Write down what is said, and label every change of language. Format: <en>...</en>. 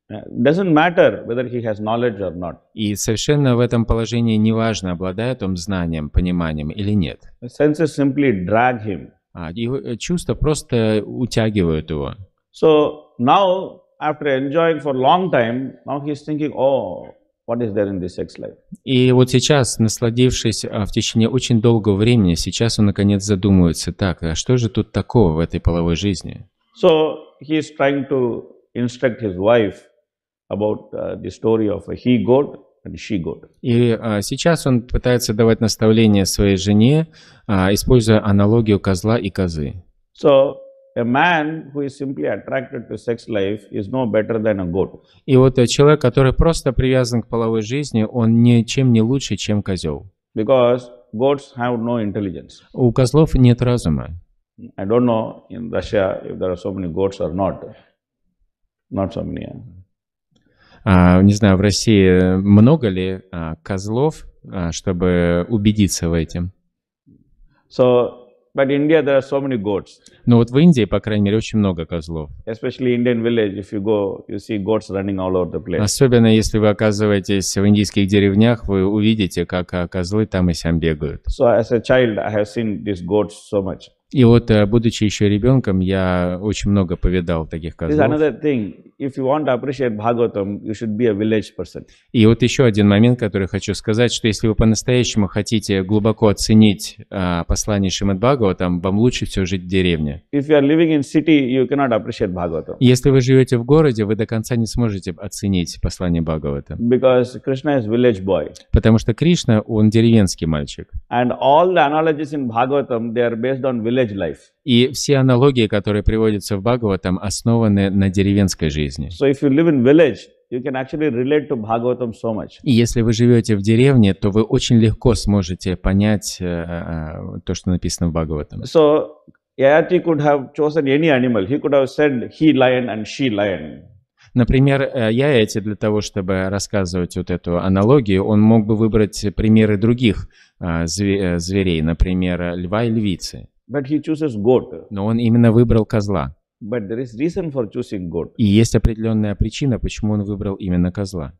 <en>Doesn't matter whether he has knowledge or not.</en> <ru>И совершенно в этом положении не важно, обладает он знанием, пониманием или нет.</ru> <en>The senses simply drag him.</en> <ru>Его чувства просто утягивают его.</ru> <en>So now, after enjoying for long time, now he's thinking, oh, what is there in this sex life?</en> <ru>И вот сейчас, насладившись в течение очень долгого времени, сейчас он наконец задумывается, так, а что же тут такого в этой половой жизни?</ru> <en>So he is trying to instruct his wife about the story of a he-goat.</en> <ru>И сейчас он пытается давать наставление своей жене, используя аналогию козла и козы.</ru> <en>So, a man who is simply attracted to sex life is no better than a goat.</en> <ru>И вот человек, который просто привязан к половой жизни, он ничем не лучше, чем козел.</ru> <en>Because goats have no intelligence.</en> <ru>У козлов нет разума.</ru> <en>I don't know in Russia if there are so many goats or not. Not so many.</en> <ru>Не знаю, в России много ли козлов, чтобы убедиться в этом?</ru> <en>So, but in India there are so many goats.</en> <ru>Но вот в Индии, по крайней мере, очень много козлов.</ru> <en>Especially Indian village, if you go, you see goats running all over the place.</en> <ru>Особенно если вы оказываетесь в индийских деревнях, вы увидите, как козлы там и сям бегают.</ru> <en>So, as a child, I have seen these goats so much.</en> <ru>И вот, будучи еще ребенком, я очень много повидал таких козлов.</ru> <en>This is another thing. If you want to appreciate Bhagavatam, you should be a village person.</en> <ru>И вот еще один момент, который хочу сказать, что если вы по-настоящему хотите глубоко оценить послание Шримад Бхагаватам, вам лучше всего жить в деревне.</ru> <en>If you are living in city, you cannot appreciate Bhagavatam.</en> <ru>Если вы живете в городе, вы до конца не сможете оценить послание Бхагаватам.</ru> <en>Because Krishna is village boy.</en> <ru>Потому что Кришна, он деревенский мальчик.</ru> <en>And all the analogies in Bhagavatam, they are based on village life.</en> <ru>И все аналогии, которые приводятся в Бхагаватам, основаны на деревенской жизни.</ru> <en>So if you live in village, you can actually relate to Bhagavatam so much.</en> <ru>И если вы живете в деревне, то вы очень легко сможете понять то, что написано в Бхагаватам.</ru> <en>So Yayati could have chosen any animal. He could have said he lion and she lion.</en> <ru>Например, Яяти для того, чтобы рассказывать вот эту аналогию, он мог бы выбрать примеры других зверей, например, льва и львицы.</ru> <en>But he chooses goat.</en> <ru>Но он именно выбрал козла.</ru> <en>But there is reason for choosing goat.</en> <ru>И есть определенная причина, почему он выбрал именно козла.</ru>